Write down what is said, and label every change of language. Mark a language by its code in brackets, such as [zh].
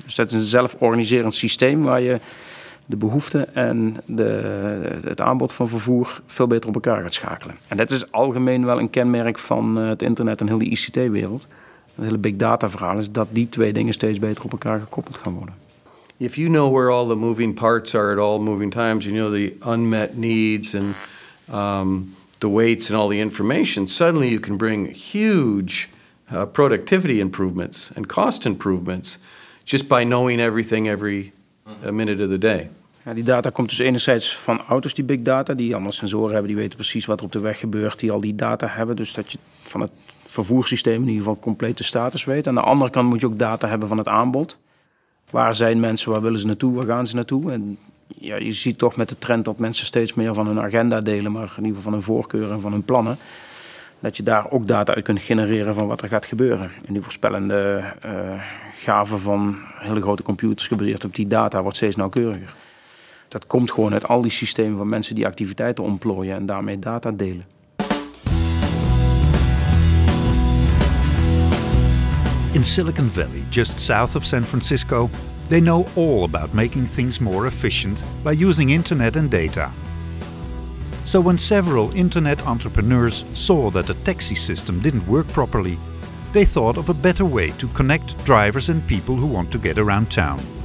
[nl] Dus dat is een zelforganiserend systeem waar je de behoefte en het aanbod van vervoer veel beter op elkaar gaat schakelen. En dat is algemeen wel een kenmerk van het internet en heel die ICT-wereld. Het hele big data verhaal is dat die 2 dingen steeds beter op elkaar gekoppeld gaan worden. [en] If you know where all the moving parts are at all moving times, you know the unmet needs and the weights and all the information, suddenly you can bring huge productivity improvements and cost improvements just by knowing everything every minute of the day. [nl] Ja, die data komt dus enerzijds van auto's, die big data, die allemaal sensoren hebben, die weten precies wat er op de weg gebeurt, die al die data hebben, dus dat je van het vervoerssysteem in ieder geval complete status weet. Aan de andere kant moet je ook data hebben van het aanbod. Waar zijn mensen, waar willen ze naartoe, waar gaan ze naartoe? En ja, je ziet toch met de trend dat mensen steeds meer van hun agenda delen, maar in ieder geval van hun voorkeuren en van hun plannen. Dat je daar ook data uit kunt genereren van wat er gaat gebeuren. En die voorspellende gaven van hele grote computers gebaseerd op die data wordt steeds nauwkeuriger. Dat komt gewoon uit al die systemen van mensen die activiteiten ontplooien en daarmee data delen. [en] In Silicon Valley, just south of San Francisco, they know all about making things more efficient by using internet and data. So when several internet entrepreneurs saw that the taxi system didn't work properly, they thought of a better way to connect drivers and people who want to get around town.